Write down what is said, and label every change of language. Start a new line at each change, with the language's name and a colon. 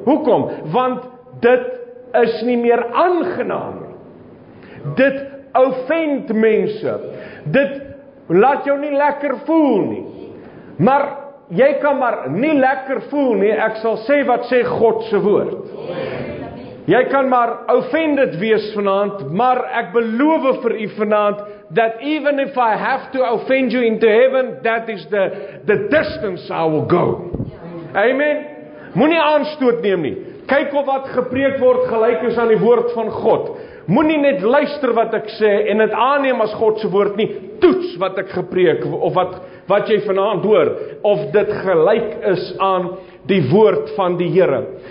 Afrikaans: Hoekom? Want dit is nie meer aangenaam nie. Dit offend mense. Dit laat jou nie lekker voel nie. Maar jy kan maar nie lekker voel nie. Ek sal sê wat sê God se woord. Jy kan maar offended wees vanaand, maar ek beloof vir u vanaand
English: that even if I have to offend you into heaven, that is the distance I will go.
Afrikaans: Amen. Moenie aanstoot neem nie. Kyk op wat gepreek word gelyk is aan die woord van God. Moenie net luister wat ek sê en dit aanneem as God se woord nie. Toets wat ek gepreek of wat jy vanaand hoor of dit gelyk is aan die woord van die Here.